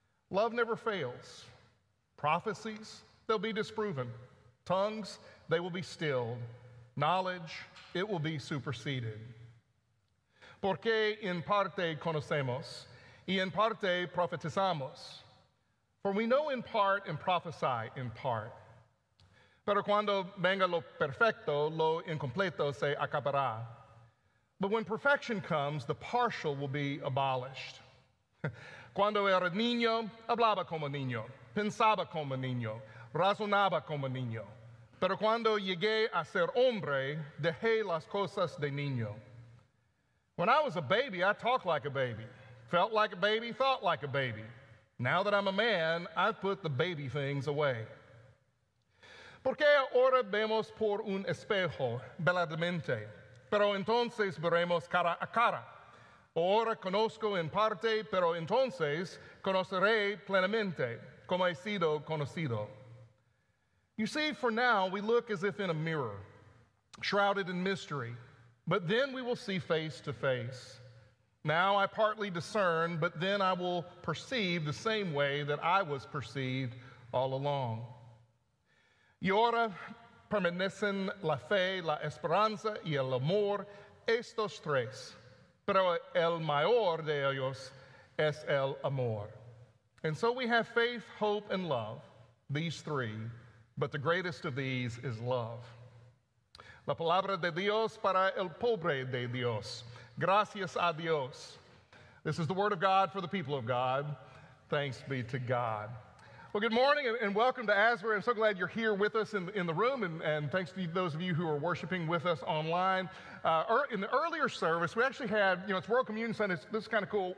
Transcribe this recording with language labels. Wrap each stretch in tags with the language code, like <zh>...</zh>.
<en>Love never fails. Prophecies, they'll be disproven. Tongues, they will be stilled. Knowledge, it will be superseded.</en> <es>Porque en parte conocemos, y en parte profetizamos.</es> <en>For we know in part and prophesy in part.</en> <es>Pero cuando venga lo perfecto, lo incompleto se acabará.</es> <en>But when perfection comes, the partial will be abolished.</en> <es>Cuando era niño, hablaba como niño, pensaba como niño, razonaba como niño. Pero cuando llegué a ser hombre, dejé las cosas de niño.</es> <en>When I was a baby, I talked like a baby, felt like a baby, thought like a baby. Now that I'm a man, I've put the baby things away.</en> <es>Porque ahora vemos por un espejo, veladamente, pero entonces veremos cara a cara. Ahora conozco en parte, pero entonces conoceré plenamente, como he sido conocido.</es> <en>You see, for now, we look as if in a mirror, shrouded in mystery, but then we will see face to face. Now I partly discern, but then I will perceive the same way that I was perceived all along.</en> <es>Y ahora permanecen la fe, la esperanza y el amor, estos tres. Pero el mayor de ellos es el amor.</es> <en>And so we have faith, hope, and love, these three, but the greatest of these is love.</en> <es>La palabra de Dios para el pobre de Dios. Gracias a Dios.</es> <en>This is the word of God for the people of God. Thanks be to God. Well, good morning and welcome to Asbury. I'm so glad you're here with us in the room, and thanks to those of you who are worshiping with us online. In the earlier service, we actually had, you know, it's World Communion Sunday. This is kind of cool.</en>